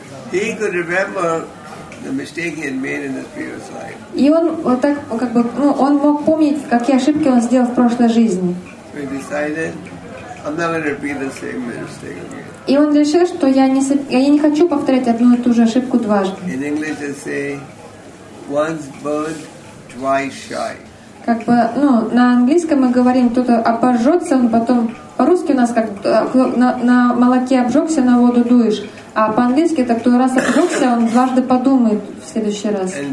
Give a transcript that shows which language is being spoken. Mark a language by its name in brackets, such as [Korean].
[English] He could remember the mistake he had made in his previous life. [Russian] И он вот так как бы, ну, он мог помнить, какие ошибки он сделал в прошлой жизни. [English] So he decided, I'm not going to repeat the same mistake again. [Russian] И он решил, что я не хочу повторять одну и ту же ошибку дважды. [English] In English they say, once burned, twice shy. [Russian] Как бы, ну, на английском мы говорим, кто-то обожжется, он потом. По-русски у нас как на молоке обжегся, на воду дуешь. А по-английски это кто раз обжегся, он дважды подумает в следующий раз.